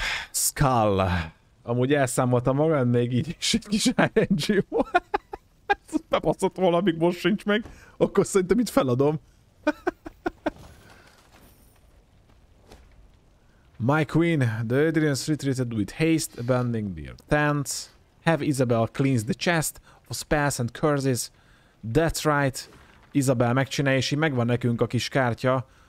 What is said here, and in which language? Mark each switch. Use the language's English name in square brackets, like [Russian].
[Hungarian] Skull. Amúgy elszámoltam magam, még így is egy kis RNG volt. Bebaszott volna, amíg most sincs meg. Akkor szerintem itt feladom. [English] My queen, the Adrians retreated with haste, abandoning their tents. Have Isabel cleanse the chest of spells and curses. That's right. [Hungarian] Isabel megcsinálja, és így megvan nekünk a kis kártya.